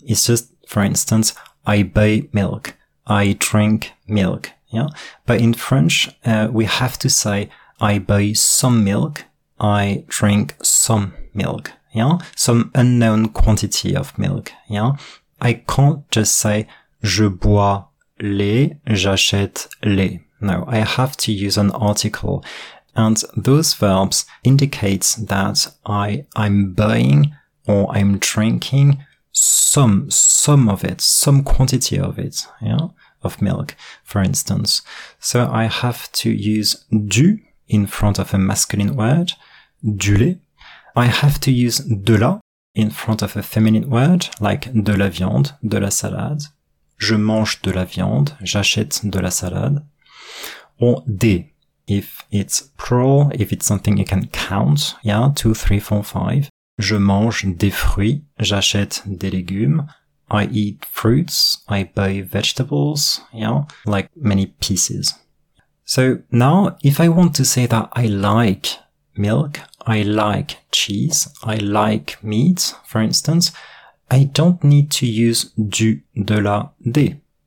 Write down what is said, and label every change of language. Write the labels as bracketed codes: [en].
[en] It's just, for instance, I buy milk. I drink milk. Yeah. But in French, we have to say, I buy some milk. I drink some milk, yeah? Some unknown quantity of milk, yeah? I can't just say, [fr] je bois lait, j'achète lait. [en] No, I have to use an article. And those verbs indicate that I'm buying or I'm drinking some of it, some quantity of it, yeah? Of milk, for instance. So I have to use du in front of a masculine word, du lait. I have to use de la in front of a feminine word, like de la viande, de la salade. [fr] Je mange de la viande, j'achète de la salade. [en] Or [fr] des [en] if it's plural, if it's something you can count. Yeah, 2, 3, 4, 5. [fr] Je mange des fruits. J'achète des légumes. [en] I eat fruits. I buy vegetables. Yeah, like many pieces. So now if I want to say that I like milk, I like cheese, I like meat, for instance, I don't need to use du, de la, des.